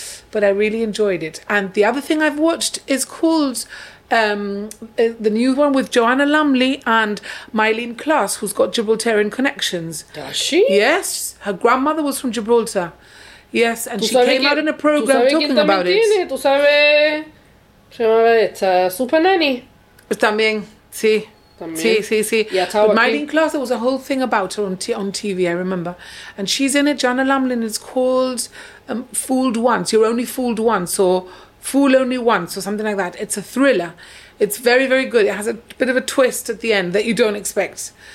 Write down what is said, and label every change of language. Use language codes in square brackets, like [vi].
[en] But I really enjoyed it. And the other thing I've watched is called the new one with Joanna Lumley and Mylene Klass, who's got Gibraltarian connections. Does she? Yes. Her grandmother was from Gibraltar. Yes, and she came out in a program talking about it. [es] Tú sabes quién también tiene, tú sabes, Super Nanny. Pues también, sí. [en] Mylene Klass, there was a whole thing about her on TV, I remember. And she's in it, Joanna Lumley, it's called Fooled Once, You're Only Fooled Once, or Fool Only Once, or something like that. It's a thriller. It's very, very good. It has a bit of a twist at the end that you don't expect.